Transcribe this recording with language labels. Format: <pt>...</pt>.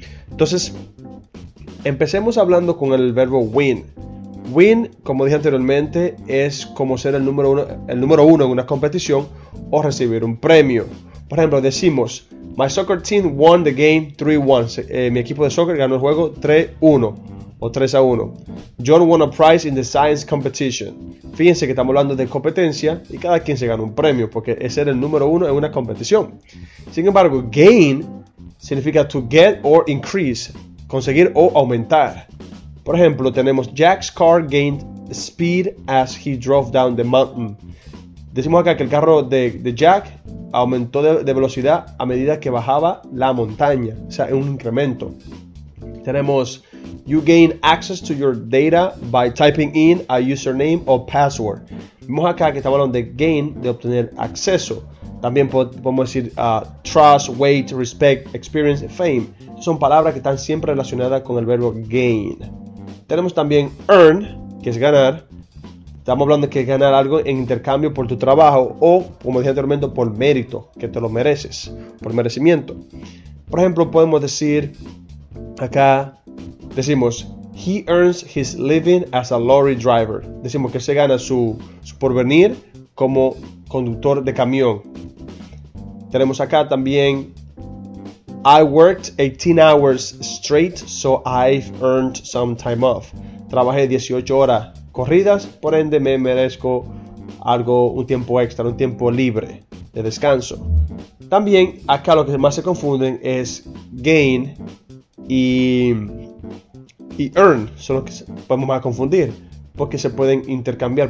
<es>Entonces, empecemos hablando con el verbo win. Win, como dije anteriormente, es como ser el número uno en una competición o recibir un premio. Por ejemplo, decimos,</es> <en>my soccer team won the game 3-1.</en> <es>Mi equipo de soccer ganó el juego 3-1 o 3-1.</es> <en>John won a prize in the science competition.</en> <es>Fíjense que estamos hablando de competencia y cada quien se gana un premio porque es ser el número uno en una competición. Sin embargo, gain significa</es> <en>to get or increase,</en> <es>conseguir o aumentar. Por ejemplo, tenemos</es> <en>Jack's car gained speed as he drove down the mountain.</en> <es>Decimos acá que el carro de Jack aumentó de velocidad a medida que bajaba la montaña. O sea, un incremento. Tenemos,</es> <en>you gain access to your data by typing in a username or password.</en> <es>Vemos acá que estamos hablando de gain, de obtener acceso. También podemos decir</es> <en>trust, weight, respect, experience, fame.</en> <es>Son palabras que están siempre relacionadas con el verbo gain. Tenemos también earn, que es ganar. Estamos hablando de que es ganar algo en intercambio por tu trabajo o, como dije anteriormente, por mérito, que te lo mereces, por merecimiento. Por ejemplo, podemos decir acá, decimos,</es> <en>he earns his living as a lorry driver.</en> <es>Decimos que se gana su porvenir como conductor de camión. Tenemos acá también,</es> <en>I worked 18 hours straight, so I've earned some time off.</en> <es>Trabajé 18 horas corridas, por ende me merezco algo, un tiempo extra, un tiempo libre de descanso. También acá lo que más se confunden es gain y earn, son los que podemos más confundir, porque se pueden intercambiar.</es>